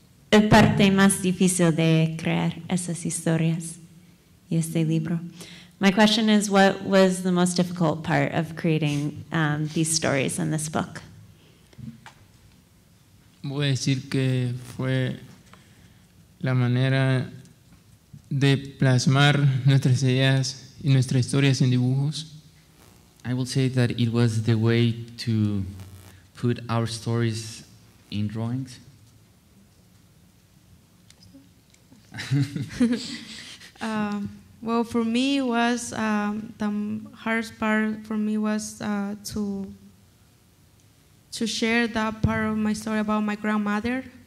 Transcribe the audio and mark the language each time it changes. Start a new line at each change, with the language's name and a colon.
Spanish: la parte más difícil de crear esas historias y este libro.
English: My question is, what was the most difficult part of creating these stories in this book?
Spanish: Voy a decir que fue la manera de plasmar nuestras ideas y nuestras historias en dibujos.
English: I will say that it was the way to put our stories in drawings. Well, for me, it was the hardest part for me was to share that part of my story about my grandmother.